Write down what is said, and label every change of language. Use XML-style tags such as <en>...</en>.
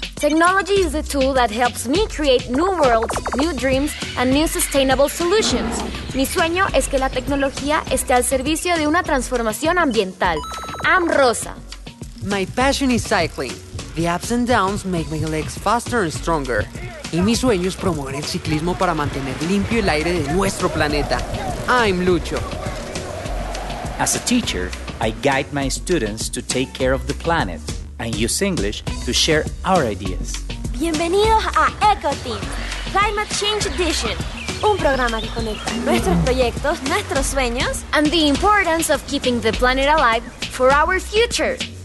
<en>Technology is a tool that helps me create new worlds, new dreams, and new sustainable solutions.</en> <es>Mi sueño es que la tecnología esté al servicio de una transformación ambiental.</es> <en>I'm Rosa. My passion is cycling. The ups and downs make my legs faster and stronger.</en> <es>Y mi sueño es promover el ciclismo para mantener limpio el aire de nuestro planeta.</es> <en>I'm Lucho. As a teacher, I guide my students to take care of the planet and use English to share our ideas.</en> <es>Bienvenidos a EcoTeam, Climate Change Edition. Un programa que conecta nuestros proyectos, nuestros sueños,</es> <en>and the importance of keeping the planet alive for our future.</en>